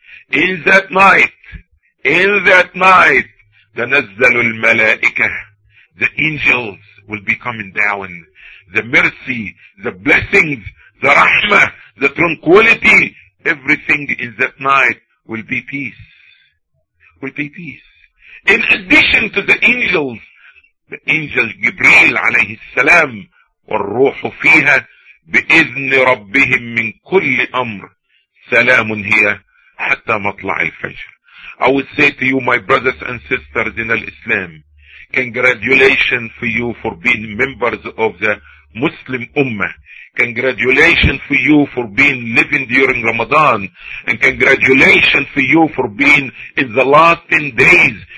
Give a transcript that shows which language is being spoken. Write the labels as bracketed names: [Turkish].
[English] In that night, the nazzalu al-malaika, the angels will be coming down. The mercy, the blessings, the rahmah, the tranquility, everything in that night will be peace. Will be peace. In addition to the angel Jibreel alayhi salam, [Arabic] والروح فيها بإذن ربهم من كل أمر سلام هي حتى مطلع الفجر. [English] I would say to you, my brothers and sisters in Islam, congratulations for you for being members of the Muslim Ummah. Congratulations for you for being living during Ramadan. And congratulations for you for being in the last 10 days.